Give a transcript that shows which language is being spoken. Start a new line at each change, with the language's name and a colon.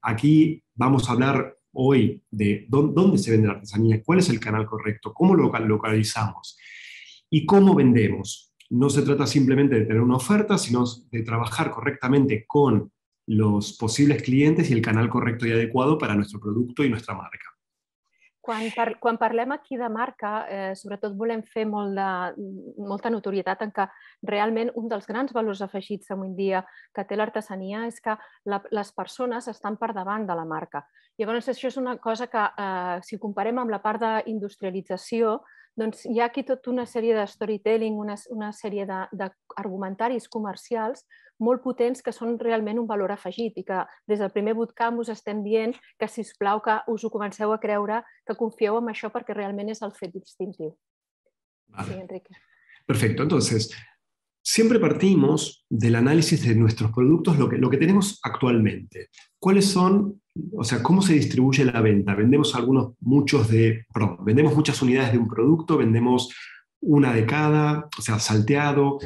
Spanish: Aquí vamos a hablar hoy de dónde se vende la artesanía, cuál es el canal correcto, cómo lo localizamos y cómo vendemos. No se trata simplemente de tener una oferta, sino de trabajar correctamente con los posibles clientes y el canal correcto y adecuado para nuestro producto y nuestra marca.
Catalan: Quan parlem aquí de marca, sobretot volem fer molta notorietat en que realment un dels grans valors afegits avui en dia que té l'artesania és que les persones estan per davant de la marca. Llavors, això és una cosa que, si ho comparem amb la part d'industrialització, doncs hi ha aquí tota una sèrie de storytelling, una sèrie d'argumentaris comercials molt potents que són realment un valor afegit i que des del primer bootcamp us estem dient que, si us plau, que us ho comenceu a creure, que confieu en això perquè realment és el fet distintiu.
Spanish: Vale. Sí, Enrique. Perfecto. Entonces, siempre partimos del análisis de nuestros productos, lo que tenemos actualmente. ¿Cuáles son? O sea, ¿cómo se distribuye la venta? Vendemos muchas unidades de un producto, vendemos una de cada, o sea, salteado.